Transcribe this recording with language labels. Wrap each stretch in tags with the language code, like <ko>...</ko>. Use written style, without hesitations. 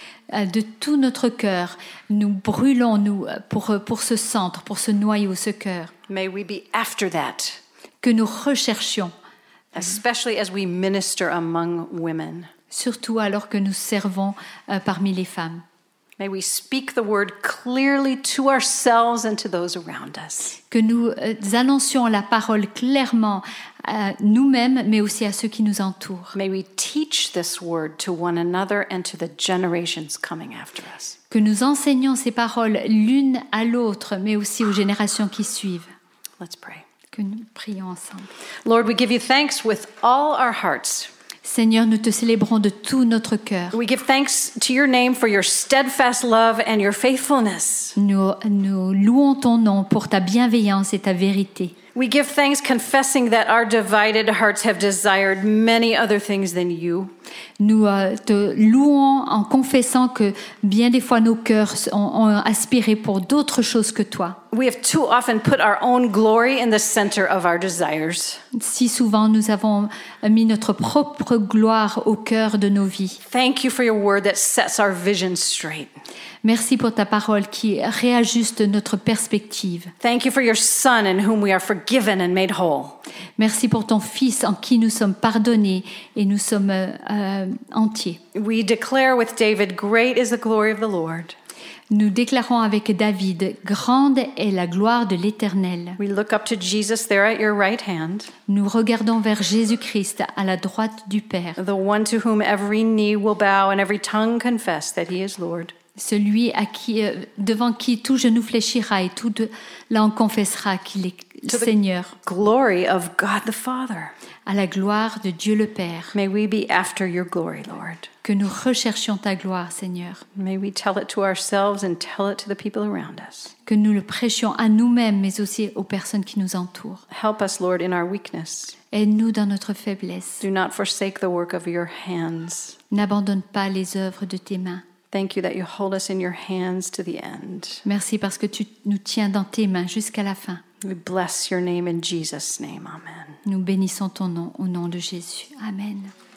<fr>De tout notre cœur, nous brûlons nous pour ce centre, pour ce noyau, ce cœur.</fr> <en>May we be after that.</en> <fr>Que nous recherchions.</fr> <en>Especially as we minister among women.</en> <fr>Surtout alors que nous servons parmi les femmes.</fr> <en>May we speak the word clearly to ourselves and to those around us.</en> <fr>Que nous annoncions la parole clairement à nous-mêmes, mais aussi à ceux qui nous entourent.</fr> <en>May we teach this word to one another and to the generations coming after us.</en> <fr>Que nous enseignions ces paroles l'une à l'autre, mais aussi aux générations qui suivent.</fr> <en>Let's pray.</en> <fr>Que nous prions ensemble.</fr> <en>Lord, we give you thanks with all our hearts.</en> <fr>Seigneur, nous te célébrons de tout notre cœur.</fr> <en>We give thanks to your name for your steadfast love and your faithfulness.</en> <fr>Nous louons ton nom pour ta bienveillance et ta vérité.</fr> <en>We give thanks confessing that our divided hearts have desired many other things than you.</en> <fr>Nous te louons en confessant que bien des fois nos cœurs ont aspiré pour d'autres choses que toi.</fr> <en>We have too often put our own glory in the center of our desires.</en> <fr>Si souvent nous avons mis notre propre gloire au cœur de nos vies.</fr> <en>Thank you for your word that sets our vision straight.</en> <fr>Merci pour ta parole qui réajuste notre perspective.</fr> <en>Thank you for your son in whom we are forgiven and made whole.</en> <fr>Merci pour ton fils en qui nous sommes pardonnés et nous sommes entiers.</fr> <en>We declare with David, great is the glory of the Lord.</en> <fr>Nous déclarons avec David, grande est la gloire de l'Éternel.</fr> <en>We look up to Jesus there at your right hand.</en> <fr>Nous regardons vers Jésus-Christ à la droite du Père.</fr> <en>The one to whom every knee will bow and every tongue confess that he is Lord.</en> <fr>Celui à qui, devant qui tout genou fléchira et tout langue confessera qu'il est</fr> <en>to</en> <fr>Seigneur.</fr> <en>The glory of God the Father.</en> <fr>À la gloire de Dieu le Père.</fr> <en>May we be after your glory, Lord.</en> <fr>Que nous recherchions ta gloire, Seigneur.</fr> <en>May we tell it to ourselves and tell it to the people around us.</en> <fr>Que nous le prêchions à nous-mêmes, mais aussi aux personnes qui nous entourent.</fr> <en>Help us, Lord, in our weakness.</en> <fr>Aide-nous dans notre faiblesse.</fr> <en>Do not forsake the work of your hands.</en> <fr>N'abandonne pas les œuvres de tes mains.</fr> <en>Thank you that you hold us in your hands to the end.</en> <fr>Merci parce que tu nous tiens dans tes mains jusqu'à la fin.</fr> <en>We bless your name in Jesus' name. Amen.</en> <fr>Nous bénissons ton nom au nom de Jésus. Amen.</fr>